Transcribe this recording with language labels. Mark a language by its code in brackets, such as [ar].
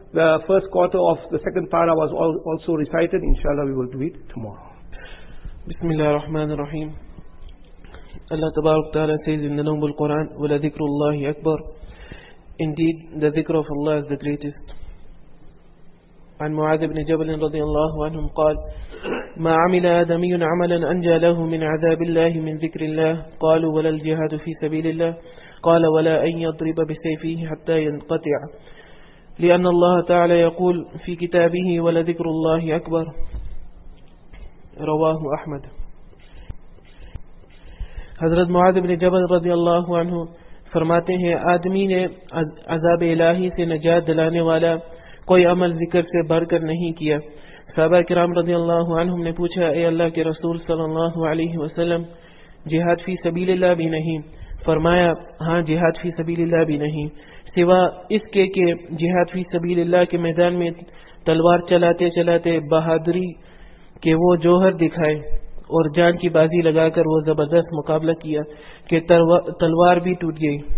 [en] The first quarter of the second para was also recited, inshallah we will do it tomorrow. Bismillah ar-Rahman ar-Rahim. Allah Ta'ala says in the name of the Quran, [ar] وَلَا ذِكْرُ اللَّهِ أَكْبَرُ. [en] Indeed, the dhikr of Allah is the greatest. [ar] عن معاذ بن جبل رضي الله عنهم قال ما عمل آدمي عملا أنجى له من عذاب الله من ذكر الله قالوا ولا الجهاد في سبيل الله قال ولا أن يضرب بسيفه حتى ينقطع لأن الله تعالى يقول في كتابه ولذكر الله أكبر رواه أحمد. [ur] حضرت معاذ بن جبل رضي الله عنه فرماتے ہیں آدمی نے عذاب الہی سے نجات دلانے والا کوئی عمل ذکر سے بڑھ کر نہیں کیا. صحابہ کرام رضی اللہ عنہم نے پوچھا اے اللہ کے رسول صلی اللہ علیہ وسلم جہاد فی سبیل اللہ بھی نہیں؟ فرمایا ہاں جہاد فی سبیل اللہ بھی نہیں سوا اس کے کہ جہاد فی سبیل اللہ کے میدان میں تلوار چلاتے چلاتے بہادری کے وہ جوہر دکھائے اور جان کی بازی لگا کر وہ زبردست مقابلہ کیا کہ تلوار بھی ٹوٹ گئی.